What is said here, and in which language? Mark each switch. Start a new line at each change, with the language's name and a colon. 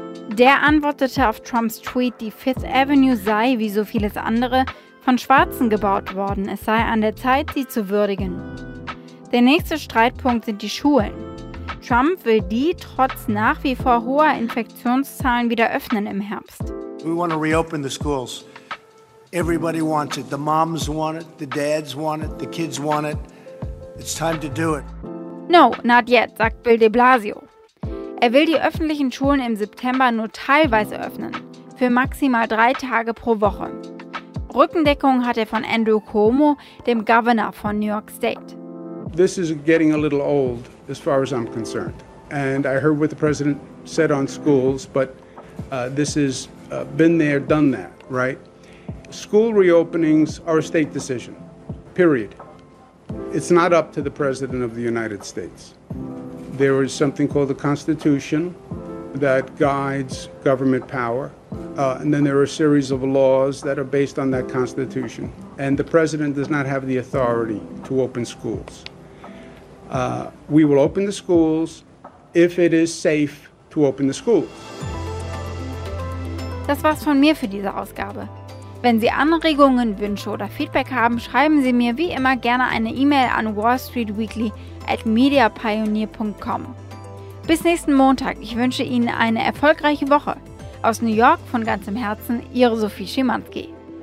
German: Der antwortete auf Trumps Tweet, die Fifth Avenue sei, wie so vieles andere, von Schwarzen gebaut worden. Es sei an der Zeit, sie zu würdigen. Der nächste Streitpunkt sind die Schulen. Trump will die trotz nach wie vor hoher Infektionszahlen wieder öffnen im Herbst.
English: We want to reopen the schools. Everybody wants it. The moms want it. The dads want it. The kids want it. It's time to do it. No, not yet,
German: sagt Bill de Blasio. Er will die öffentlichen Schulen im September nur teilweise öffnen, für maximal 3 Tage pro Woche. Rückendeckung hat er von Andrew Cuomo, dem Governor von New York State.
English: This is getting a little old, as far as I'm concerned. And I heard what the president said on schools, but this has been there, done that, right? School reopenings are a state decision, period. It's not up to the president of the United States. There is something called the Constitution that guides government power. And then there are a series of laws that are based on that Constitution. And the president does not have the authority to open schools. We will open the schools if it is safe to open the schools.
German: Das war's von mir für diese Ausgabe. Wenn Sie Anregungen, Wünsche oder Feedback haben, schreiben Sie mir wie immer gerne eine E-Mail an wallstreetweekly@mediapioneer.com. Bis nächsten Montag. Ich wünsche Ihnen eine erfolgreiche Woche. Aus New York von ganzem Herzen, Ihre Sophie Schimanski.